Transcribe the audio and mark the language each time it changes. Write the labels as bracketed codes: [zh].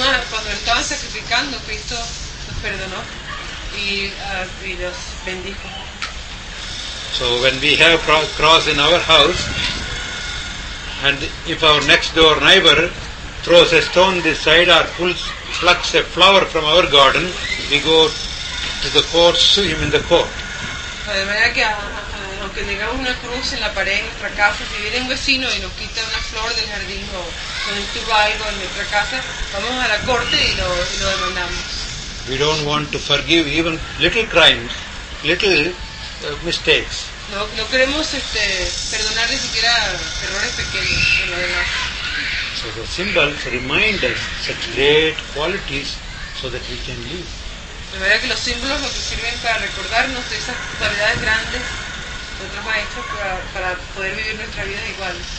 [es] Cuando estaban sacrificando, Cristo los perdonó y los bendijo. [en] So when we have cross in our house, and if our next door neighbor throws a stone this side or plucks a flower from our garden, we go to the court, sue him in the court. [es] De manera que aunque tengamos una cruz en la pared en nuestra casa, si viene un vecino y nos quita una flor del jardín o nos estuvo algo en nuestra casa, vamos a la corte y lo demandamos. [en] We don't want to forgive even little crimes, little mistakes. [es] No queremos perdonar ni siquiera errores pequeños en lo demás. [en] So the symbols remind us such great qualities so that we can live. [es] De manera que los símbolos lo que sirven para recordarnos de esas cualidades grandes de otros maestros para poder vivir nuestra vida igual.